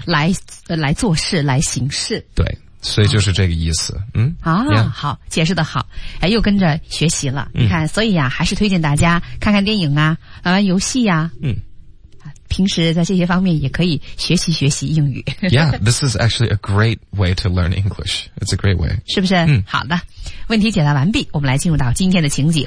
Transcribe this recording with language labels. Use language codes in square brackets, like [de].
[zh] 来做事，来行事，对，所以就是这个意思。好，解释的好，又跟着学习了，你看，所以啊还是推荐大家看看电影啊，玩玩游戏啊，平时在这些方面也可以学习学习英语。 [en] Yeah, this is actually a great way to learn English. It's a great way. [zh] 是不是？好的。问题解答完毕，我们来进入到今天的情景。